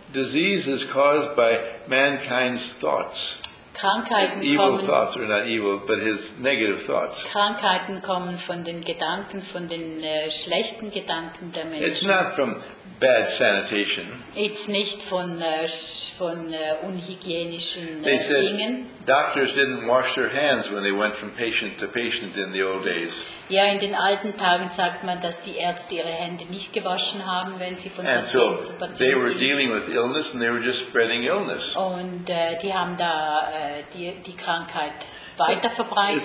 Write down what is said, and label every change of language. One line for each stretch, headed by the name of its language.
English: Disease is caused by mankind's thoughts.
German: Krankheiten
English: his evil thoughts are not evil, but his negative thoughts.
German: Krankheiten kommen von den Gedanken, von den schlechten Gedanken der Menschen.
English: It's not from bad sanitation. It's
German: nicht von unhygienischen Dingen.
English: Doctors didn't wash their hands when they went from patient to patient in the old days.
German: Ja, in den alten Tagen sagt man, dass die Ärzte ihre Hände nicht gewaschen haben, wenn sie von Patient zu Patient gingen.
English: And so they were dealing with illness and they were just spreading illness.
German: Und die haben da die Krankheit weiter verbreitet.